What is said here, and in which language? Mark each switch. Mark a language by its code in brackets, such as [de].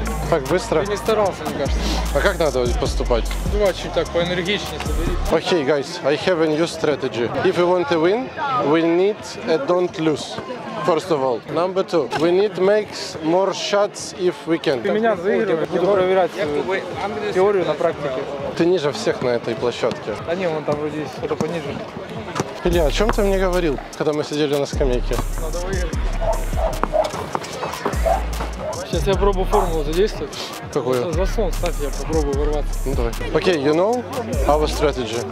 [ru] Так быстро? Ты не старался, мне кажется. А как надо поступать? Ну, очень так, поэнергичнее собери. [en] Окей, guys, I have a new strategy. If we want to win, we need a don't lose. First of all. Number two. We need make more shots if we can. [ru] Ты меня заигрываешь, буду проверять теорию на практике. Ты ниже всех на этой площадке. Да не, вон там вроде есть, кто-то пониже. Илья, о чем ты мне говорил, когда мы сидели на скамейке? Надо выиграть. Сейчас я пробую формулу задействовать. Какую? За сон ставь, я попробую ворваться. Ну давай. [en] Окей, you know our strategy?